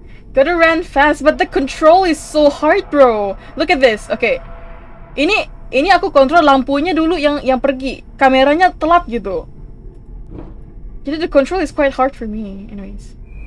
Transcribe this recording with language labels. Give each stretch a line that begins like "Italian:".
English: Gotta run fast, but the control is so hard, bro. Look at this. Okay.
Indonesian: Ini aku kontrol lampunya dulu yang pergi. Kameranya telat gitu.
English: Jadi the control is quite hard for me anyways.